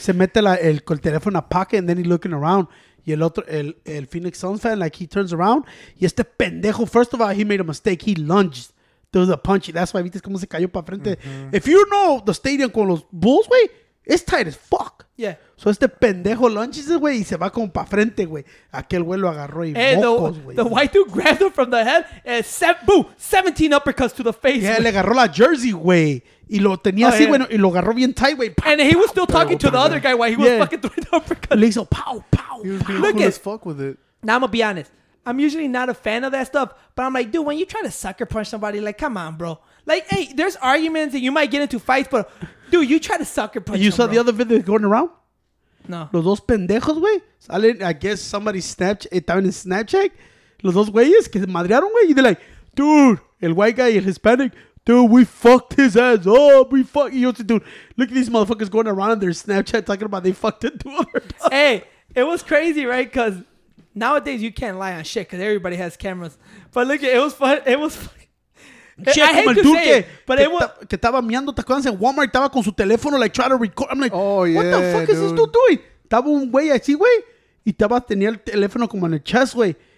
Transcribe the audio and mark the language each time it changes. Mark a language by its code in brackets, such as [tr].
[es] Se mete el teléfono a [en] pocket and then he's looking around. [es] Y el otro, el [en] Phoenix Suns fan, like he turns around. [es] Y este pendejo, [en] first of all, he made a mistake. He lunged through the punch. That's why, [es] ¿viste cómo se cayó para frente? Mm-hmm. [en] If you know the stadium [es] con los Bulls, güey, [en] it's tight as fuck. Yeah. [es] So este pendejo [en] lunges, [es] güey, y se va como para frente, güey. Aquel güey lo agarró y mocos, güey. [en] The white dude grabbed him from the head and set, boom, 17 uppercuts to the face. [es] Yeah, wey. Le agarró la jersey, güey. Y lo tenía así, bueno, y lo agarró bien [en] tight, [es] güey. [en] And he was still talking to the other guy while he was fucking throwing the uppercut. [es] Le hizo pow, pow. [en] He was being cool as fuck with it. Now, I'm going to be honest. I'm usually not a fan of that stuff, but I'm like, dude, when you try to sucker punch somebody, like, come on, bro. Like, hey, there's arguments and you might get into fights, but dude, you try to sucker punch You saw the other video going around? No. [es] Los dos pendejos, güey. Salen, [en] I guess somebody snapped, [es] estaban en Snapchat. Los dos güeyes que se madrearon, güey. Y [en] they're like, dude, [es] el white guy y el Hispanic. [en] Dude, we fucked his ass up. We fucked you. Dude, look at these motherfuckers going around on their Snapchat talking about they fucked it to other dogs. Hey, it was crazy, right? Because nowadays you can't lie on shit because everybody has cameras. But look, it was fun. It was fun. Che, I hate to say it, but it was... [es] Que estaba miando, ¿te acuerdas? En Walmart estaba con su teléfono, [en] like, trying to record. I'm like, oh, yeah, what the fuck dude. Is this dude doing? [es] Estaba un güey así, güey, y estaba tenía el teléfono como en el chest, güey.